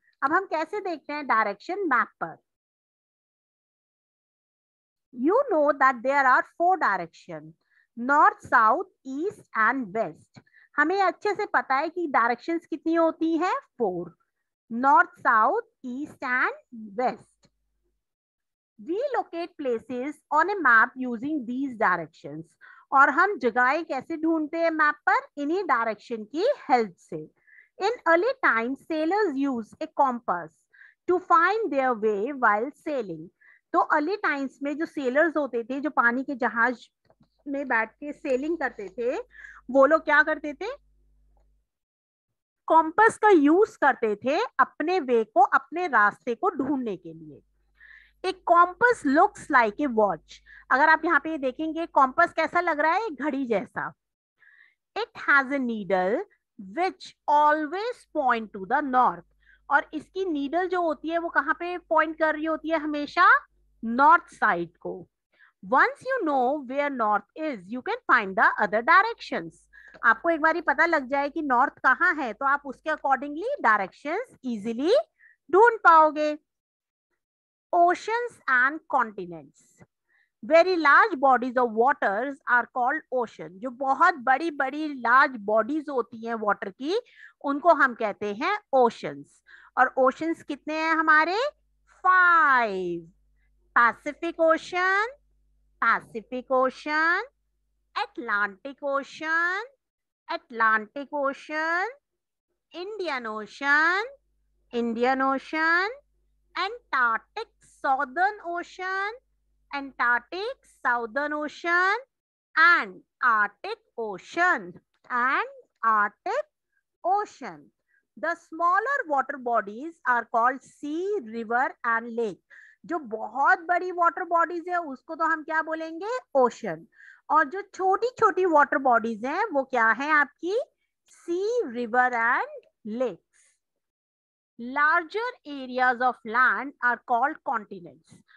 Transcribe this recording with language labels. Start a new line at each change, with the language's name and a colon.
Hindi: अब हम कैसे देखते हैं डायरेक्शन मैप पर?
English: You know that there are 4 direction, north, south, east and west.
Hindi: हमें अच्छे से पता है कि डायरेक्शंस कितनी होती हैं?
English: 4. North, south, east and west. We locate places on a map using these directions.
Hindi: और हम जगहें कैसे ढूंढते हैं मैप पर? इन्हीं डायरेक्शन की हेल्प से.
English: In early times, sailors used a compass to find their way while sailing.
Hindi: तो early times में जो sailors होते थे, जो पानी के जहाज में बैठ के सेलिंग करते थे, वो लोग क्या करते थे? Compass का यूज करते थे अपने वे को, अपने रास्ते को ढूंढने के लिए.
English: A compass looks like a watch.
Hindi: अगर आप यहाँ पे देखेंगे compass कैसा लग रहा है? घड़ी जैसा.
English: It has a needle which always point to the north.
Hindi: और इसकी needle जो होती है वो कहाँ पे point कर रही होती है? हमेशा north side को.
English: Once you know where north is, you can find the other directions.
Hindi: आपको एक बार ही पता लग जाए कि north कहाँ है तो आप उसके accordingly directions easily ढूंढ पाओगे.
English: Oceans and continents. Very large bodies of waters are called ocean.
Hindi: जो बहुत बड़ी बड़ी large bodies होती हैं water की, उनको हम कहते हैं oceans. और oceans कितने हैं हमारे? 5.
English: Pacific Ocean, Pacific Ocean, Atlantic Ocean, Atlantic Ocean, Indian Ocean, Indian Ocean, Antarctic Southern Ocean, Antarctic Southern Ocean, and Arctic Ocean, and Arctic Ocean. The smaller water bodies are called sea, river, and lake.
Hindi: जो बहुत बड़ी water bodies है उसको तो हम क्या बोलेंगे?
English: Ocean.
Hindi: और जो छोटी छोटी water bodies है वो क्या है आपकी?
English: Sea, river, and lake. Larger areas of land are called continents.